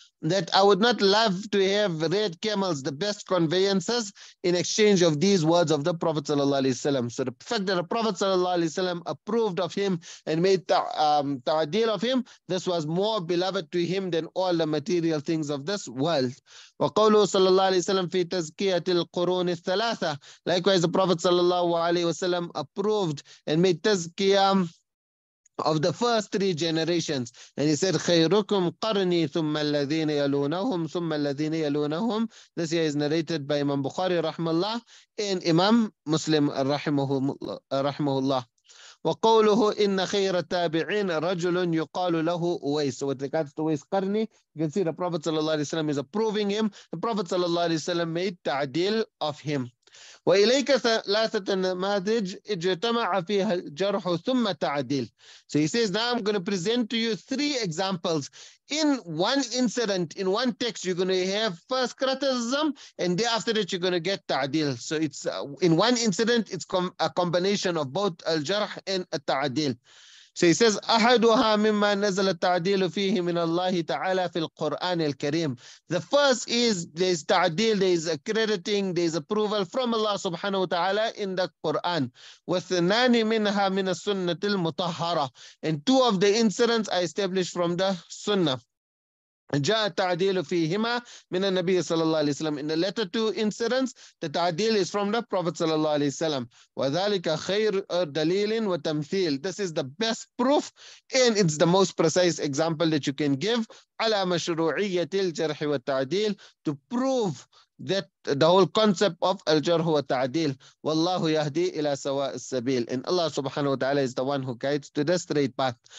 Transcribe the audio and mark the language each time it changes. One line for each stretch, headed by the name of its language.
English: That I would not love to have red camels, the best conveyances, in exchange of these words of the Prophet sallallahu alaihi wasallam. So the fact that the Prophet sallallahu alaihi wasallam approved of him and made ta'adil of him, this was more beloved to him than all the material things of this world.
Arabic: وقوله صلى الله عليه وسلم في تزكية القرون الثلاثة.
English: Likewise, the Prophet sallallahu alaihi wasallam approved and made tazkiyah of the first three generations. And he said,
Arabic: خَيْرُكُمْ قَرْنِي ثُمَّ الَّذِينَ يَلُونَهُمْ ثُمَّ الَّذِينَ يَلُونَهُمْ.
English: This year is narrated by Imam Bukhari rahimahullah and Imam Muslim rahimahullah.
Arabic: وَقَوْلُهُ إِنَّ خَيْرَ التَّابِعِينَ رَجُلٌ يُقَالُ لَهُ أُوَيْسُ.
English: So with regards to Uwais Qarni, you can see the Prophet ﷺ is approving him. The Prophet ﷺ made ta'dil of him.
Arabic: وإليك ثلاثة نماذج اجتمع فيها الجرح ثم تعديل.
English: So he says, now I'm going to present to you three examples. In one incident, in one text, you're going to have first criticism, and day after that, you're going to get ta'adil. So it's in one incident, it's a combination of both al-jarh and al-ta'adil. So he says,
Arabic: أحدها مما نزل التعديل فيه من الله تعالى في القرآن الكريم.
English: The first is there's ta'adil, there's accrediting, there's approval from Allah subhanahu wa ta'ala in the Quran.
Arabic: وثنان منها من السنة المطهرة.
English: And two of the incidents I established from the sunnah.
Arabic: جاء التعديل فيهما من النبي صلى الله عليه وسلم.
English: In the latter two incidents, the ta'adil is from the Prophet صلى الله عليه وسلم.
Arabic: وذلك خير دليل وتمثيل.
English: This is the best proof and it's the most precise example that you can give
Arabic: على مشروعية الجرح والتعديل
English: to prove that the whole concept of al-jarh wa ta'adil.
Arabic: Wallahu yahdi ila sawa al-sabil.
English: And Allah subhanahu wa ta'ala is the one who guides to the straight path.